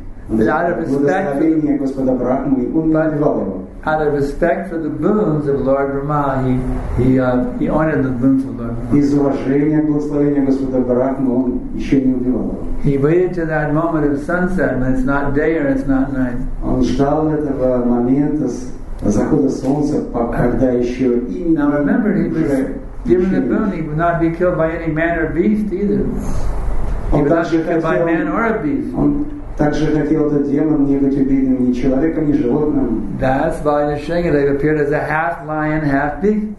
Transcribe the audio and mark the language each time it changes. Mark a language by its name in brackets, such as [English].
[English] But out of respect for the boons of Lord Brahma, he honored the boons of Lord Brahma. He waited to that moment of sunset when it's not day or it's not night. [Russian] Он ждал этого момента захода солнца, когда еще и не [English] Now remember, he was given the boon, he would not be killed by any man or beast either. He would not be killed by man or a beast. [Russian] Также хотел этот демон не быть убитым ни человеком, ни животным. [English] That's why Nrisimhadeva appeared as a half lion, half beast.